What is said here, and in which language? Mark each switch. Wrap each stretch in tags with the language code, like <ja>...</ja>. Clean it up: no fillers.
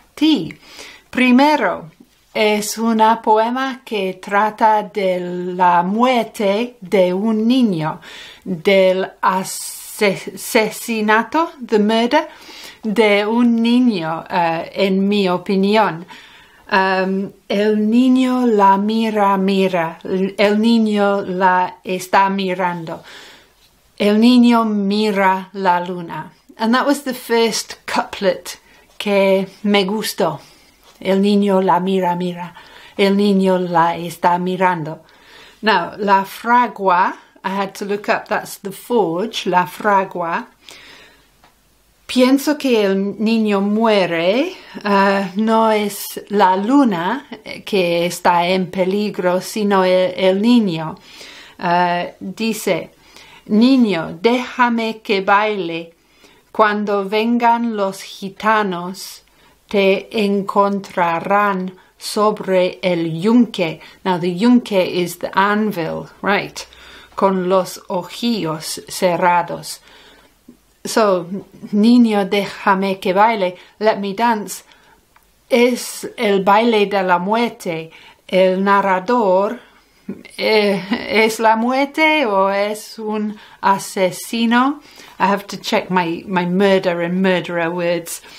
<es>ti. Primero, es una poema que trata de la muerte de un niño, del asesinato,</es> <en>the murder,</en> <es>de un niño, en mi opinión. El niño la mira, el niño la está mirando. El niño mira la luna.</es> <en>And that was the first couplet</en> <es>que me gustó. El niño la mira. El niño la está mirando.</es> <en>Now, la fragua, I had to look up, that's the forge, la fragua.</en> <es>Pienso que el niño muere, no es la luna que está en peligro, sino el niño. Dice, niño, déjame que baile. Cuando vengan los gitanos, te encontrarán sobre el yunque.</es> <en>Now, the yunque is the anvil, right?</en> <es>Con los ojillos cerrados. So, niño, déjame que baile.</es> <en>Let me dance.</en> <es>Es el baile de la muerte. El narrador, ¿es la muerte o es un asesino?</es> <en>I have to check my murder and murderer words.</en>